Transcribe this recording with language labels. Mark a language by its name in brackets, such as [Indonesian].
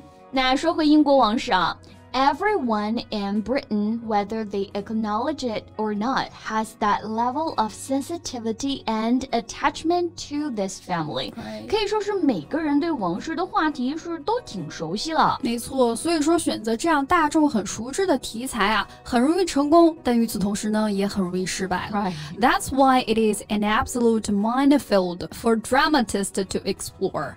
[Chinese] 那说回英国王室啊。 [English] Everyone in Britain, whether they acknowledge it or not, has that level of sensitivity and attachment to this family. Right. [Chinese] 可以说是每个人对王室的话题是都挺熟悉了。没错，所以说选择这样大众很熟知的题材啊，很容易成功，但与此同时呢，也很容易失败。 [English] Right. That's why it is an absolute minefield for dramatists to explore.